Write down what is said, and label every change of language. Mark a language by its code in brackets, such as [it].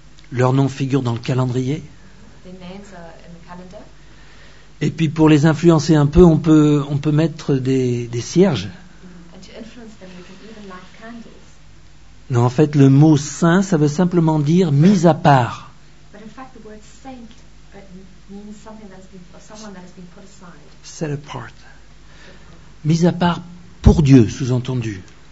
[fr] Leur nom figure dans le calendrier. [en] Their names are in the calendar. [fr] Et puis pour les influencer un peu, on peut mettre des cierges. [en] And to influence them, you can even light candles. [fr] Non, en fait, le mot saint, ça veut simplement dire mis à part. [en] But in fact, the word saint means something that has been, or someone that has been put aside. Set apart. [fr] Mis à part pour Dieu, sous-entendu.